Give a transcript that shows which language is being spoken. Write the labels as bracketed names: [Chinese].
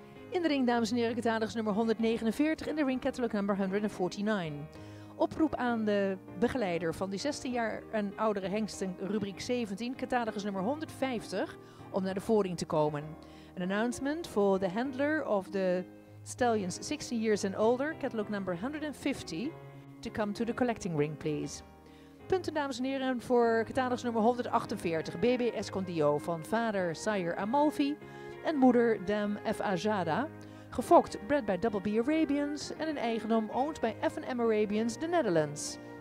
[Dutch] In de ring, dames en heren, catalogus nummer 149 in de ring catalog nummer 149. Oproep aan de begeleider van die 16 jaar en oudere hengsten rubriek 17, catalogus nummer 150, om naar de voorring te komen. [English] An announcement for the handler of the stallions 16 years and older, catalog nummer 150, to come to the collecting ring, please. [Dutch] Punten, dames en heren, voor catalogus nummer 148, BB Escondio van vader Sire Amalfi en moeder Dam F. Ajada, gefokt, bred bij Double B Arabians en een eigendom owned bij F&M Arabians, de Netherlands.